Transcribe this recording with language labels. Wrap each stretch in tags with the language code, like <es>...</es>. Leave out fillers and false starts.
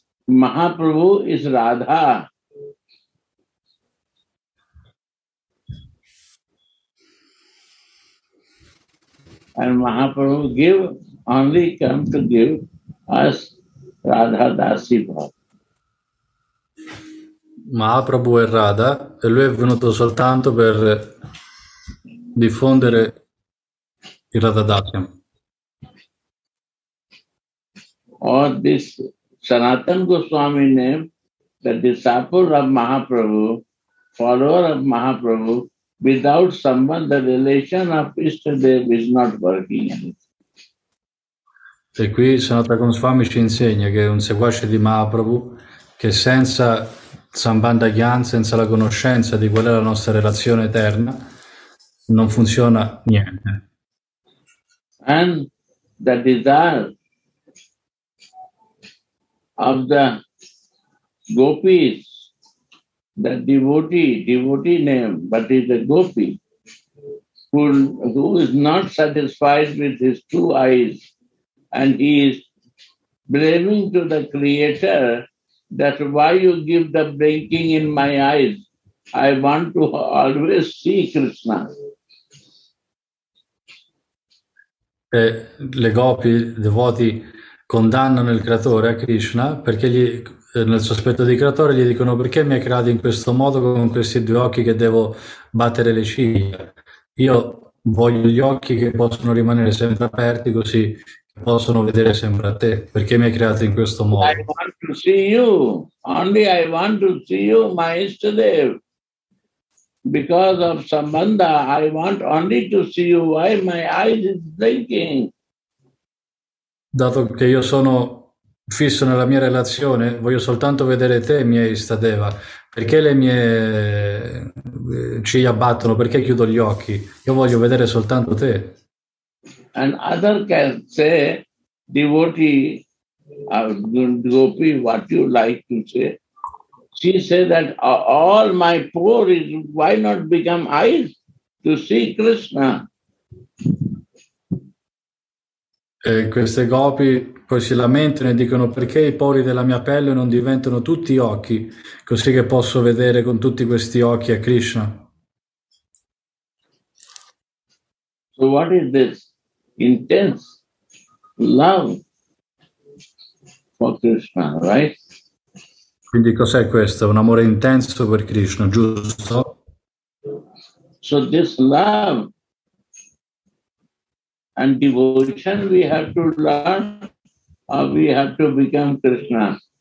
<en>Mahaprabhu is Radha. And Mahaprabhu only come to give us Radha Dasi Bhav.</en> <it>Mahaprabhu è Radha e lui è venuto soltanto per diffondere il Radha Dasyam.</it> <en>Or this Sanatan Goswami name, the disciple of Mahaprabhu, follower of Mahaprabhu, without someone, the relation of Ishtadev is not working.</en> <it>E qui Sanatan Goswami ci insegna che un seguace di Mahaprabhu che senza Sambandha Gyan, senza la conoscenza di qual è la nostra relazione eterna, non funziona niente.</it> <en>And the desire of the gopis, the devotee name, but is a gopi, who is not satisfied with his two eyes, and he is blaming to the creator, that why you give the blinking in my eyes. I want to always see Krishna.</en> <it>E le gopi, i devoti, condannano il creatore a Krishna perché gli, nel sospetto di creatore gli dicono perché mi hai creato in questo modo con questi due occhi che devo battere le ciglia. Io voglio gli occhi che possono rimanere sempre aperti così possono vedere sempre a te, perché mi hai creato in questo modo.</it> <en>I want to see you, only I want to see you, Maestro Dev. Because of Sambandha, I want only to see you. Why my eyes is blinking?</en> <it>dato che io sono fisso nella mia relazione, voglio soltanto vedere te, mia Istadeva. Perché le mie ciglia battono? Perché chiudo gli occhi? Io voglio vedere soltanto te.</it> <en>And other can say, devotee, gopi, what you like to say. She said that all my poor is, why not become eyes to see Krishna?</en> <it>E queste gopi poi si lamentano e dicono perché i pori della mia pelle non diventano tutti occhi, così che posso vedere con tutti questi occhi a Krishna.</it> <en>So what is this intense love for Krishna, right?</en> <it>Quindi cos'è questo? Un amore intenso per Krishna, giusto?</it> <en>So this love and devotion we have to learn, or we have to become Krishna.</en>